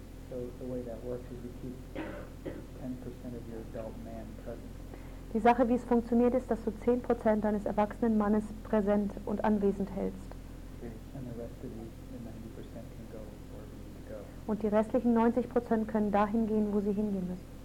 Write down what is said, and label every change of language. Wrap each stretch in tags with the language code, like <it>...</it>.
<en>So the way that works is you keep 10% of your adult man present.</en> <de>Die Sache, wie es funktioniert, ist, dass du 10% deines erwachsenen Mannes präsent und anwesend hältst.</de> <en>Okay. And the rest of the 90% can go where they need to go.</en> <de>Und die restlichen 90% können dahin gehen, wo sie hingehen müssen.</de>